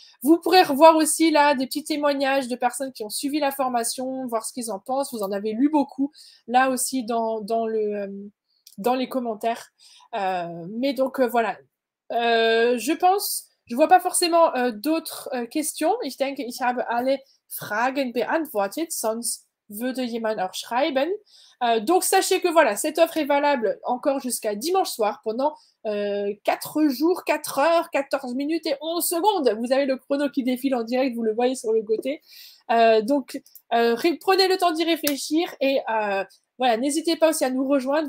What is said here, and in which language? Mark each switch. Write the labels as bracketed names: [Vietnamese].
[French] Vous pourrez revoir aussi là des petits témoignages de personnes qui ont suivi la formation, voir ce qu'ils en pensent. Vous en avez lu beaucoup là aussi dans les commentaires. Mais donc voilà, je pense, je vois pas forcément d'autres questions. [German] Ich denke, ich habe alle Fragen beantwortet, sonst. Würde jemand auch schreiben. [French] Donc sachez que voilà, cette offre est valable encore jusqu'à dimanche soir pendant 4 jours, 4 heures, 14 minutes et 11 secondes. Vous avez le chrono qui défile en direct, vous le voyez sur le côté. Prenez le temps d'y réfléchir et voilà, n'hésitez pas aussi à nous rejoindre.